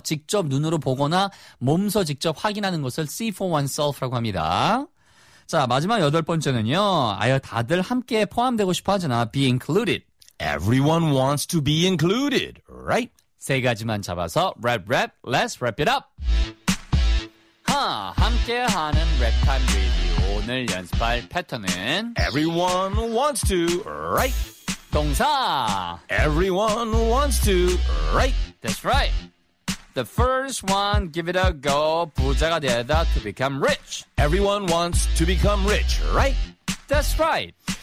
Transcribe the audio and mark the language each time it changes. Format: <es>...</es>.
<ko>직접 눈으로 보거나 몸소 직접 확인하는 것을</ko> <en>see for oneself</en> <ko>라고 합니다. 자, 마지막 여덟 번째는요, 아예 다들 함께 포함되고 싶어 하잖아.</ko> <en>Be included. Everyone wants to be included, right?</en> <ko>세 가지만 잡아서 랩,</ko> <en>rap, let's wrap it up.</en> <ko>함께하는 랩타임 리뷰 오늘 연습할 패턴은</ko> <en>Everyone wants to, right?</en> <ko>동사</ko> <en>Everyone wants to, right? That's right. The first one, give it a go.</en> <ko>부자가 되다</ko> <en>to become rich. Everyone wants to become rich, right? That's right.</en>